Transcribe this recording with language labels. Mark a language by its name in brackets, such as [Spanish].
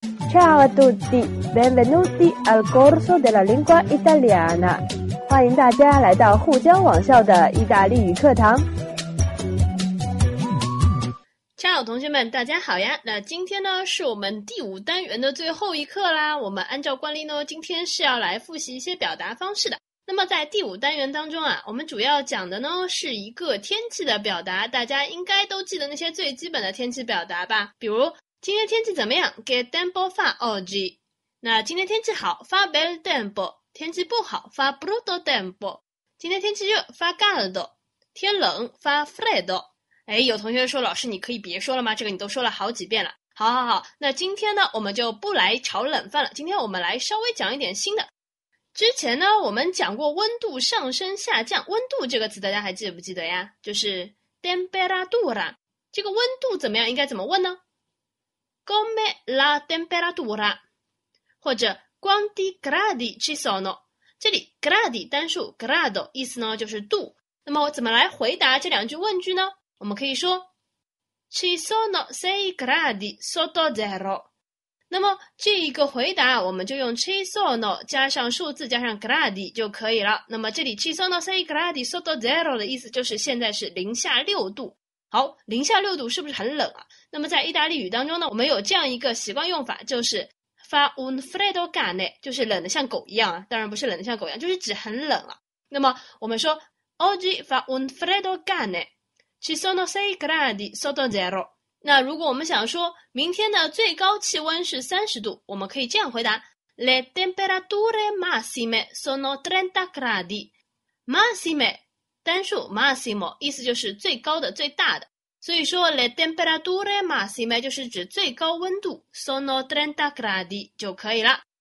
[Italian] Ciao a tutti, benvenuti al corso della lingua italiana. [Chinese] 欢迎大家来到沪江网校的意大利语课堂。 Ciao， 同学们，大家好呀。那今天呢，是我们第五单元的最后一课啦。我们按照惯例呢，今天是要来复习一些表达方式的。那么在第五单元当中啊，我们主要讲的呢是一个天气的表达，大家应该都记得那些最基本的天气表达吧，比如今天天气怎么样 ？ [Italian] Che tempo fa oggi？ [Chinese] 那今天天气好 ， [Italian] fa bel tempo； [Chinese] 天气不好 ， [Italian] fa brutto tempo； [Chinese] 今天天气热 ， [Italian] fa caldo； [Chinese] 天冷 ， [Italian] fa freddo。 [Chinese] 哎，有同学说，老师你可以别说了吗？这个你都说了好几遍了。好好好，那今天呢我们就不来炒冷饭了，今天我们来稍微讲一点新的。之前呢我们讲过温度上升下降，温度这个词大家还记不记得呀？就是 temperatura。这个温度怎么样应该怎么问呢？ [Italian] Come la temperatura， [Chinese] 或者 [Italian] quanti gradi ci sono。 [Chinese] 这里 gradi 单数 grado 意思呢就是度，那么我怎么来回答这两句问句呢？我们可以说 [Italian] ci sono sei gradi sotto zero。 [Chinese] 那么这一个回答我们就用 ci sono 加上数字加上 gradi 就可以了。那么这里 [Italian] ci sono sei gradi sotto zero [Chinese] 的意思就是现在是零下六度。好，零下六度是不是很冷啊？那么在意大利语当中呢，我们有这样一个习惯用法，就是 [Italian] fa un freddo cane， [Chinese] 就是冷得像狗一样啊，当然不是冷得像狗一样，就是指很冷啊。那么我们说 [Italian] oggi fa un freddo cane ci sono sei gradi sotto zero。 [Chinese] 那如果我们想说明天的最高气温是30度，我们可以这样回答 [Italian] Le temperature massime sono 30 gradi。 [Chinese] massime 单数 massimo 意思就是最高的最大的，所以说 [Italian] Le temperature massime [Chinese] 就是指最高温度 [Italian] sono 30 gradi [Chinese] 就可以了。